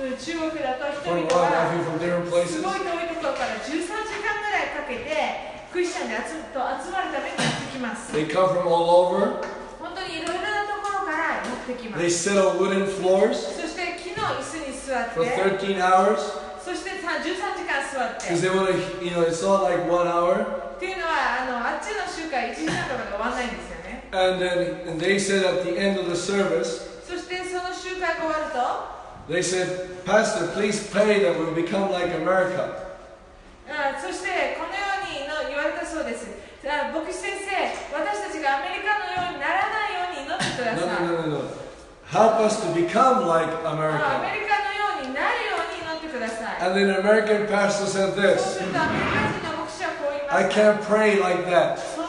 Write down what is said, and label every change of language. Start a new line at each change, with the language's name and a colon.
English: a lot of people from different places.
Japanese: すごい遠いところから13時間ぐらいかけてクリスチャンで集まるためにやってきます。
English: They come from all over.
Japanese: 本当にいろいろなところから持ってきます。
English: They sit on wooden floors.
Japanese: そして木の椅子に座って。
English: For 13 hours.
Japanese: そして13時間座って。
English: Because they want to, you know, it's not like one hour.
Japanese: っていうのはあっちの集会1時間とかで終わらないんですよ。
English: And they said at the end of the service,
Japanese: そしてその集会が終わると
English: they said, Pastor, please pray that we'll become like America.
Japanese: そしてこのように言われたそうです。牧師先生、私たちがアメリカのようにならないように祈ってください。
English: No. Help us to become like America.
Japanese: アメリカのようになるように祈ってください。
English: And then an American pastor said this, I can't pray like that.